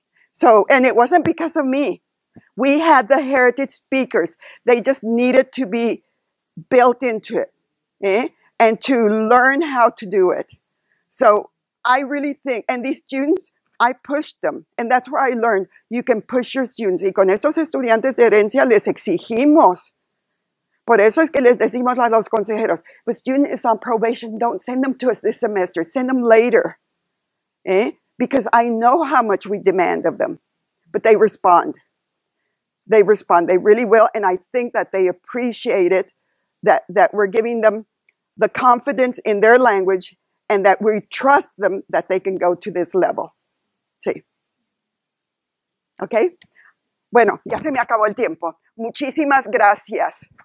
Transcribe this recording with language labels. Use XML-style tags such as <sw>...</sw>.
<en>So, and it wasn't because of me. We had the heritage speakers. They just needed to be built into it. And to learn how to do it. So I really think, and these students, I pushed them. And that's where I learned you can push your students.</en> <es>Y con estos estudiantes de herencia les exigimos. Por eso es que les decimos a los consejeros,</es> <en>the student is on probation, don't send them to us this semester, send them later. Because I know how much we demand of them. But they respond. They respond. They really will. And I think that they appreciate it that we're giving them the confidence in their language, and that we trust them that they can go to this level.</en> <es>Sí.</es> <en>Okay?</en> <es>Bueno, ya se me acabó el tiempo. Muchísimas gracias.</es>